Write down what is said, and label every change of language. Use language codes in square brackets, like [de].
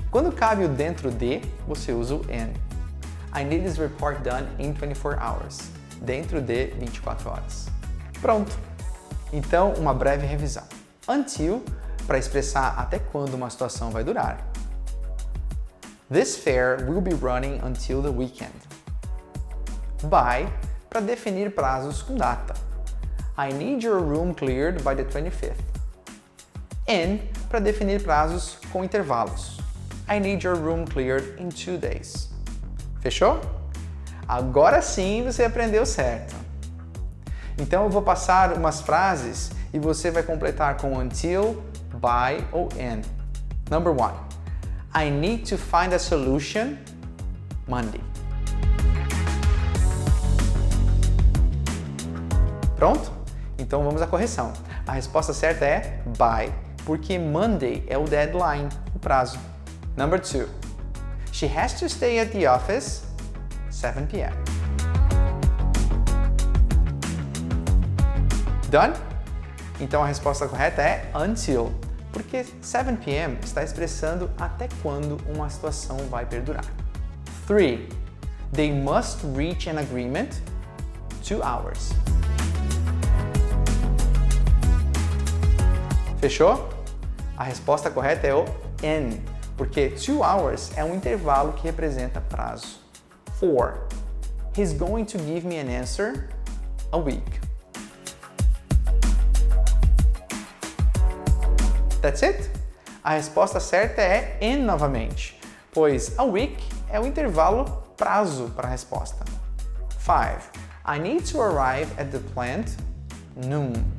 [pt] Quando cabe o dentro de, você usa o in. [en] I need this report done in 24 hours. [pt] Dentro de 24 horas. Pronto! Então, uma breve revisão. Until, para expressar até quando uma situação vai durar. [en] This fair will be running until the weekend. By, [pt] para definir prazos com data. [en] I need your room cleared by the 25th. In, [pt] para definir prazos com intervalos. [en] I need your room cleared in 2 days. [pt] Fechou? Agora sim você aprendeu certo. Então eu vou passar umas frases e você vai completar com until, by ou in. [en] Number one. I need to find a solution Monday. [pt] Pronto? Então vamos à correção. A resposta certa é by, porque Monday é o deadline, o prazo. [en] Number two. She has to stay at the office 7 p.m. Done? [pt] Então a resposta correta é until, porque 7 p.m. está expressando até quando uma situação vai perdurar. 3. [en] They must reach an agreement 2 hours. [pt] Fechou? A resposta correta é o in, porque [en] 2 hours [pt] é um intervalo que representa prazo. 4. [en] He's going to give me an answer a week. That's it? [pt] A resposta certa é in novamente, pois a week é o intervalo prazo para a resposta. 5. [en] I need to arrive at the plant noon.